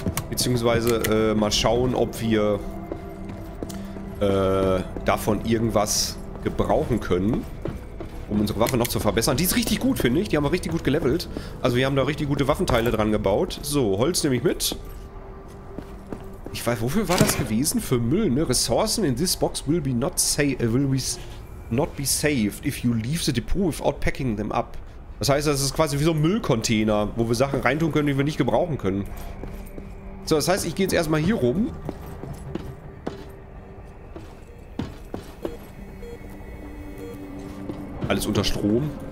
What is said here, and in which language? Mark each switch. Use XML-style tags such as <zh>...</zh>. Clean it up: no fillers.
<de>Beziehungsweise mal schauen, ob wir davon irgendwas gebrauchen können. Um unsere Waffe noch zu verbessern. Die ist richtig gut, finde ich. Die haben wir richtig gut gelevelt. Also wir haben da richtig gute Waffenteile dran gebaut. So, Holz nehme ich mit. Ich weiß, wofür war das gewesen? Für Müll, ne?</de> <en>Ressourcen in this box will be not safe, will not be saved if you leave the depot without packing them up.</en> <de>Das heißt, das ist quasi wie so ein Müllcontainer, wo wir Sachen reintun können, die wir nicht gebrauchen können. So, das heißt, ich gehe jetzt erstmal hier rum. Alles unter Strom.</de>